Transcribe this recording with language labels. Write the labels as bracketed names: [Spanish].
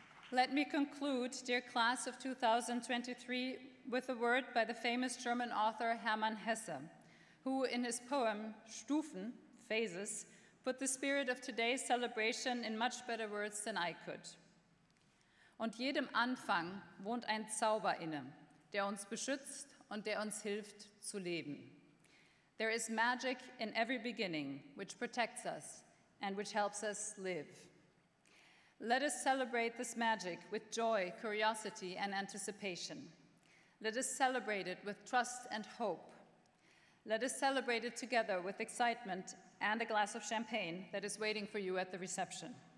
[English] Let me conclude, dear class of 2023, with a word by the famous German author Hermann Hesse, who in his poem, Stufen, Phases, put the spirit of today's celebration in much better words than I could. [German] Und jedem Anfang wohnt ein Zauber inne, der uns beschützt und der uns hilft zu leben. [English] There is magic in every beginning, which protects us and which helps us live. Let us celebrate this magic with joy, curiosity, and anticipation. Let us celebrate it with trust and hope. Let us celebrate it together with excitement and a glass of champagne that is waiting for you at the reception.